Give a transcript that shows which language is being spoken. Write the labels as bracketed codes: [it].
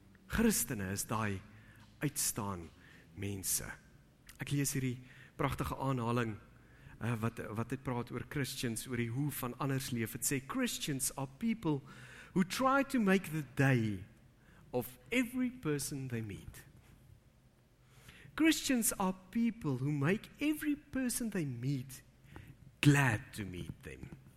[af] Christene is daai uitstaan mense. Ek lees hierdie pragtige aanhaling wat dit praat oor Christians, oor die hoe van anders leef. Het sê, [en] Christians are people who try to make the day of every person they meet. Christians are people who make every person they meet glad to meet them.